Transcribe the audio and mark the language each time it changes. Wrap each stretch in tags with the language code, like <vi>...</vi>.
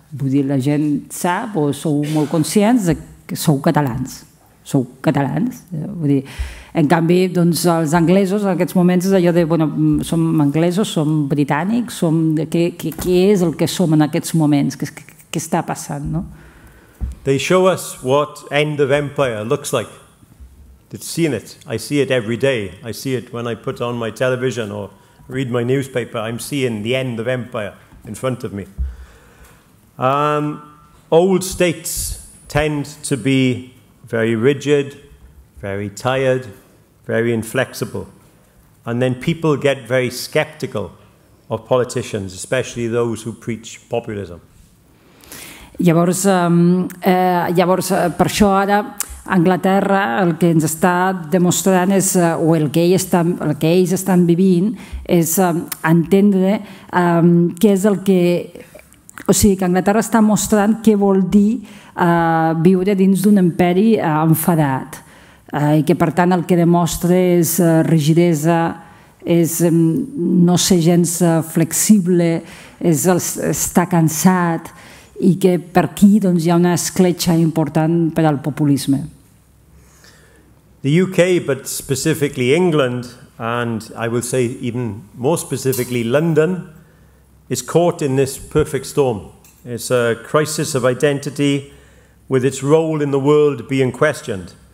<ca>Vull dir, la gent sap o sou molt conscients de que sou catalans. Sou catalans, vull dir... En canvi, doncs, els anglesos en aquests moments és allò de, bueno, som anglesos, som britànics, som... Què és el que som en aquests moments? Què està passant, no?</ca> <en>They show us what end of empire looks like. They've seen it. I see it every day. I see it when I put on my television or read my newspaper. I'm seeing the end of empire in front of me. Old states tend to be very rigid, very tired, very inflexible. And then people get very skeptical of politicians, especially those who preach populism.</en> <ca>Llavors, per això ara Anglaterra el que ens està demostrant és, o el que ells estan vivint és entendre què és el que... O sigui, que Anglaterra està mostrant què vol dir viure dins d'un imperi enfadat. I que, per tant, el que demostra és rigidesa, és no ser gens flexible, és estar cansat, i que per aquí doncs, hi ha una escletxa important per al populisme.</ca> <en>The UK, but specifically England, and I will say even more specifically London, is caught in this perfect storm. It's a crisis of identity with its role in the world being questioned.</en>